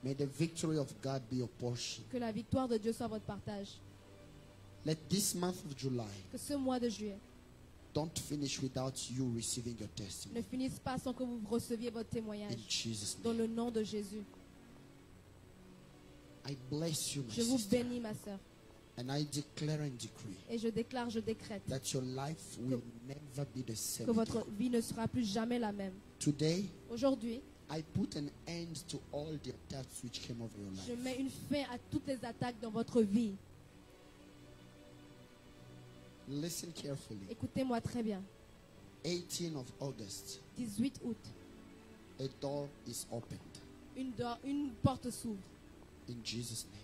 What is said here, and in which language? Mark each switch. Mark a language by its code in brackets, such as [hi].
[en] May the victory of God be your portion. [fr] Que la victoire de Dieu soit votre partage. [en] Let this month of July. [fr] Que ce mois de juillet. [en] Don't finish without you receiving your testimony. [fr] Ne finissez pas sans que vous receviez votre témoignage. [en] In Jesus' name. [fr] Dans le nom de Jésus. [en] I bless you, my [fr] je vous [en] sister. [fr] Bénis, ma sœur. [en] And I declare and decree. [fr] Et je déclare, je décrète. [en] That your life will never be the same. [fr] Que votre vie ne sera plus jamais la même. [en] Today. [fr] Aujourd'hui. [en] I put an end to all the attacks which came over your life. [fr] Je mets une fin à toutes les attaques dans votre vie. [en] Listen carefully. [fr] Écoutez-moi très bien. [en] 18 of August. [fr] 18 août. [en] A door is opened. [fr] Une porte s'ouvre. [en] In Jesus' name.